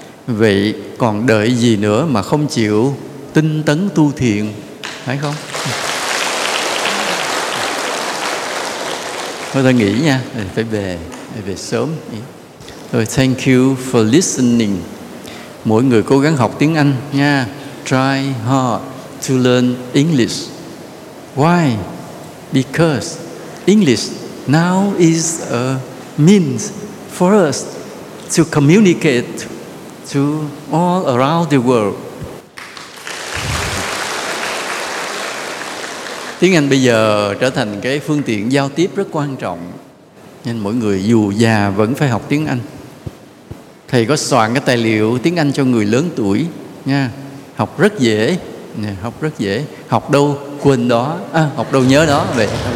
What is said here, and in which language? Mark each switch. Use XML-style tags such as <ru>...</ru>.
<vi>Vậy còn đợi gì nữa mà không chịu tinh tấn tu thiền, phải không? Thôi ta nghỉ nha, phải về, về sớm. Rồi,</vi> <en>thank you for listening.</en> <vi>Mỗi người cố gắng học tiếng Anh nha.</vi> <en>Try hard to learn English. Why? Because English now is a means for us to communicate to all around the world.</en> <vi>Tiếng Anh bây giờ trở thành cái phương tiện giao tiếp rất quan trọng. Nên mỗi người dù già vẫn phải học tiếng Anh. Thầy có soạn cái tài liệu tiếng Anh cho người lớn tuổi nha. Học rất dễ, học rất dễ. Học đâu quên đó, à, học đâu nhớ đó. Vậy.</vi>